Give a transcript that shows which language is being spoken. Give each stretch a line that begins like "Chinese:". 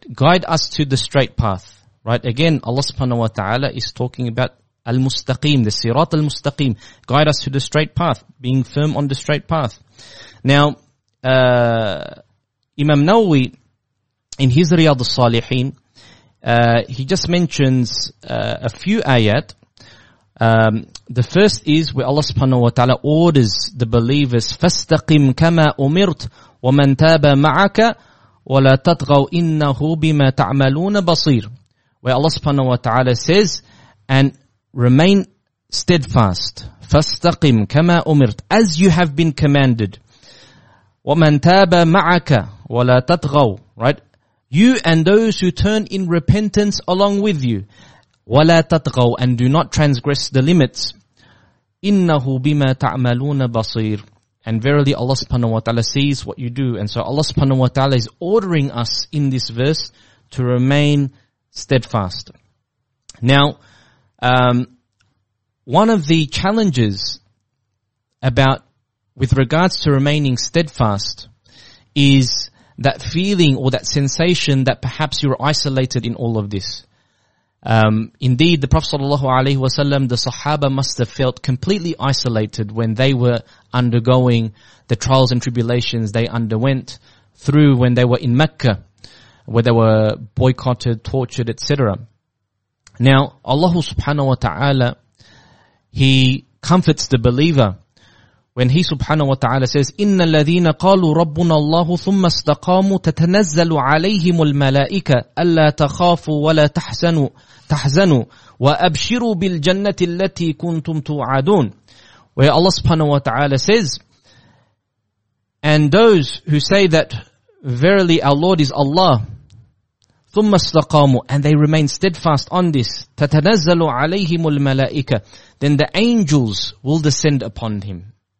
English: Guide us to the straight path, right? Again, Allah subhanahu wa ta'ala is talking about al-mustaqim, the sirat al-mustaqim. Guide us to the straight path, being firm on the straight path. Now, Imam Nawawi, in his Riyad al-Salihin, he just mentions a few ayat. The first is where Allah subhanahu wa ta'ala orders the believers,
Arabic: فَاسْتَقِمْ كَمَا أُمِرْتْ وَمَنْ تَابَ مَعَكَ وَلَا تَطْغَوْا إِنَّهُ بِمَا تَعْمَلُونَ بَصِيرٌ.
English: Where Allah subhanahu wa ta'ala says, and remain steadfast,
Arabic: فَاسْتَقِمْ كَمَا أُمِرْتْ,
English: as you have been commanded.
Arabic: وَمَنْ تَابَ مَعَكَ وَلَا تَطْغَوْا,
English: right? You and those who turn in repentance along with you.
Arabic: وَلَا تَطْغَوْا,
English: and do not transgress the limits.
Arabic: إِنَّهُ بِمَا تَعْمَلُونَ بَصِيرٌ,
English: and verily Allah subhanahu wa ta'ala sees what you do. And so Allah subhanahu wa ta'ala is ordering us in this verse to remain steadfast. Now, one of the challenges about with regards to remaining steadfast is that feeling or that sensation that perhaps you're isolated in all of this. Indeed, the Prophet sallallahu alaihi wasallam, the Sahaba must have felt completely isolated when they were undergoing the trials and tribulations they underwent through when they were in Mecca, where they were boycotted, tortured, etc. Now, Allah subhanahu wa ta'ala, He comforts the believer when He subhanahu wa ta'ala says,
Arabic: إِنَّ الَّذِينَ قَالُوا رَبُّنَا اللَّهُ ثُمَّ اسْتَقَامُوا تَتَنَزَّلُ عَلَيْهِمُ الْمَلَائِكَةُ أَلَّا تَخَافُوا وَلَا تَحْزَنُوا وَأَبْشِرُوا بِالْجَنَّةِ الَّتِي كُنْتُمْ تُوعَدُونَ.
English: Where Allah subhanahu wa ta'ala says, and those who say that verily our Lord is Allah,
Arabic: ثُمَّ اسْتَقَامُوا,
English: and they remain steadfast on this,
Arabic: تَتَنَزَّلُ عَلَيْهِمُ الْمَلَائِكَةِ,
English: then the angels will descend upon him.